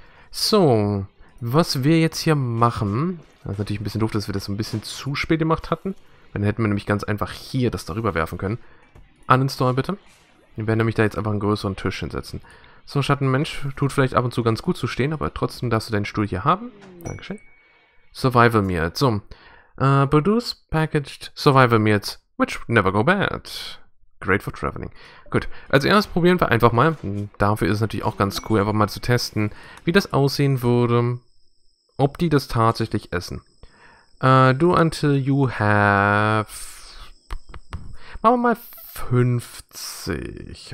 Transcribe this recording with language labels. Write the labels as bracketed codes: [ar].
[de] So, was wir jetzt hier machen, das ist natürlich ein bisschen doof, dass wir das ein bisschen zu spät gemacht hatten. Dann hätten wir nämlich ganz einfach hier das darüber werfen können. Uninstall bitte. Wir werden nämlich da jetzt einfach einen größeren Tisch hinsetzen. So, Schattenmensch, tut vielleicht ab und zu ganz gut zu stehen, aber trotzdem darfst du deinen Stuhl hier haben. Dankeschön. Survival Meal. [en] So, produce packaged survival meals, which never go bad. Great for traveling. [de] Gut, also erst probieren wir einfach mal, dafür ist es natürlich auch ganz cool, einfach mal zu testen, wie das aussehen würde, ob die das tatsächlich essen. [en] Do until you have. [de] Machen wir mal 50.